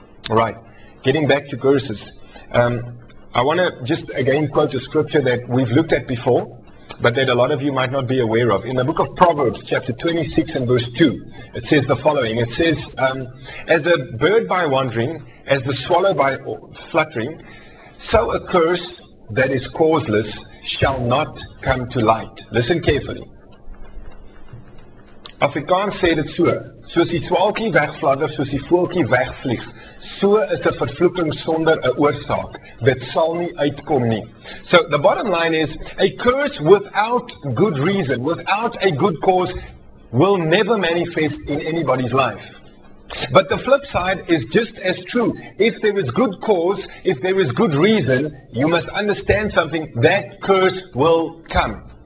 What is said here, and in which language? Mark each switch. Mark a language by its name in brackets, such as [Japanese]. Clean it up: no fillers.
[English] All right, getting back to curses. I want to just again quote a scripture that we've looked at before, but that a lot of you might not be aware of. In the book of Proverbs, chapter 26 and verse 2, it says the following. It says, as a bird by wandering, as the swallow by fluttering, so a curse that is causeless shall not come to light. Listen carefully. [Afrikaans] Afrikaans sê dit so, soos die swaalkie wegvladder, soos die voeltjie wegvlieg, so is 'n vervloeking sonder 'n oorsaak, dit sal nie uitkom nie. [English] So the bottom line is, a curse without good reason, without a good cause, will never manifest in anybody's life. But the flip side is just as true. If there is good cause, if there is good reason, you must understand something, that curse will come.